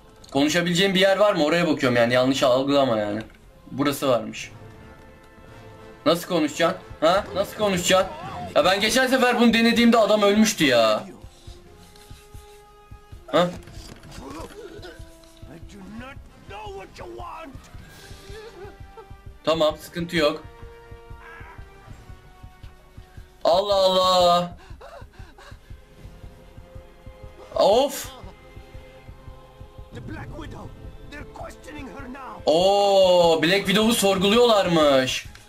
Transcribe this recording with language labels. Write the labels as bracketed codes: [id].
[tr] Konuşabileceğim bir yer var mı? Oraya bakıyorum yani. Yanlış algılama yani. Burası varmış. Nasıl konuşacaksın? Ha? Nasıl konuşacaksın? Ya ben geçen sefer bunu denediğimde adam ölmüştü ya. Ha? [en] I do not know what you want. [tr] Tamam, sıkıntı yok. Allah Allah. Of. The Black Widow. [en] They're questioning her now. [tr] Oo, Black Widow'u sorguluyorlarmış.